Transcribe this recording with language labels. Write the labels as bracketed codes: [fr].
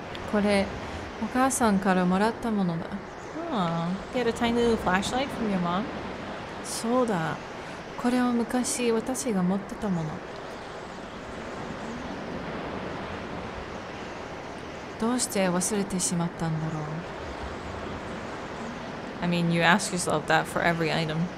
[ja] これお母さんからもらったものだ。 Huh. [en] You had a tiny little flashlight from your mom? [ja] そうだ。これは昔私が持ってたもの。どうして忘れてしまったんだろう。 [en] I mean, you ask yourself that for every item.